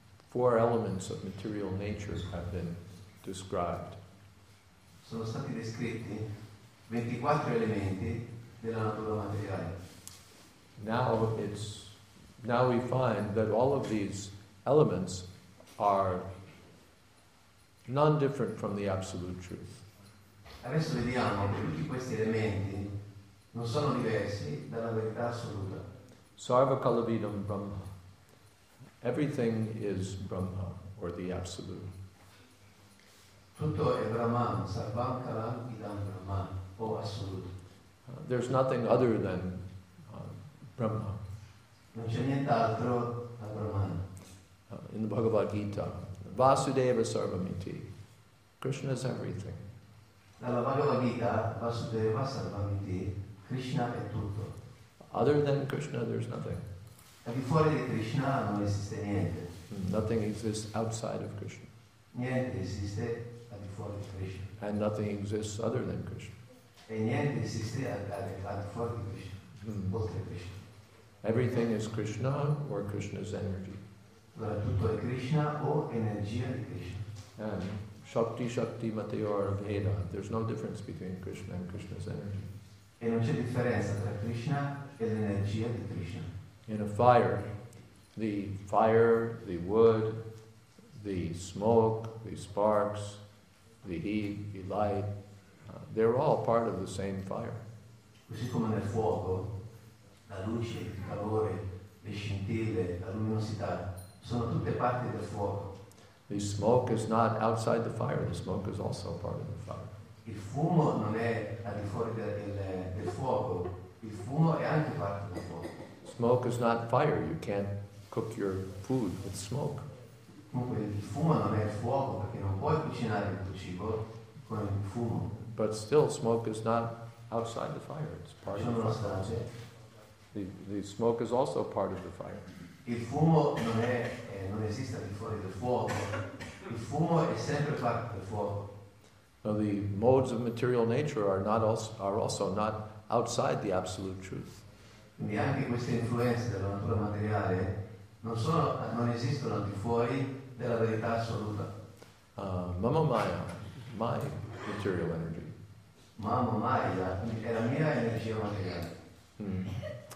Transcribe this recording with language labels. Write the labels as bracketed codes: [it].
[en] Four elements of material nature have been described. [it] Sono stati descritti 24 elementi della natura materiale. [en] Now we find that all of these elements are non-different from the absolute truth. [it] Adesso vediamo che tutti questi elementi non sono diversi dalla verità assoluta. [sa] Sarva kalavidam brahma. [en] Everything is brahma or the absolute. [it] Tutto è brahman, [sa] sarvam kalavidam brahma [it] o assoluto. [en] There's nothing other than Brahma. [it] Non c'è nient'altro a Brahman. [en] In the Bhagavad Gita, [sa] Vasudeva Sarvamiti. [en] Krishna is everything. [it] Nella Bhagavad Gita, [sa] Vasudeva Sarvamiti, [it] Krishna è tutto. [en] Other than Krishna, there's nothing. [it] Al di fuori di Krishna non esiste niente. [en] Nothing exists outside of Krishna. [it] Niente esiste al di fuori di Krishna. [en] And nothing exists other than Krishna. [it] E niente esiste al di fuori di Krishna. Oltre Krishna. [en] Everything is Krishna or Krishna's energy. [it] Allora tutto è Krishna o energia di Krishna. [sa] And Shakti Shakti Mateyora Veda. [en] There's no difference between Krishna and Krishna's energy. [it] E non c'è differenza tra Krishna e l'energia di Krishna. [en] In a fire, the wood, the smoke, the sparks, the heat, the light, they're all part of the same fire. [it] Così come nel fuoco, la luce, il calore, le scintille, la luminosità, sono tutte parti del fuoco. [en] The smoke is not outside the fire, the smoke is also part of the fire. [it] Il fumo non è al di fuori del fuoco, il fumo è anche parte del fuoco. [en] Smoke is not fire. You can't cook your food with smoke. [it] Comunque il fumo non è fuoco perché non puoi cucinare il tuo cibo con il fumo. [en] But still, smoke is not outside the fire. It's part of the fire. The smoke is also part of the fire. [it] Il fumo non è non esiste al di fuori del fuoco. Il fumo è sempre parte del fuoco. [en] Now the modes of material nature are also not outside the absolute truth. [it] Quindi anche queste influenze della natura materiale non esistono al di fuori della verità assoluta. [sa] Mama Maya, [en] my material energy. [sa] Mama Maya [it] è la mia energia materiale.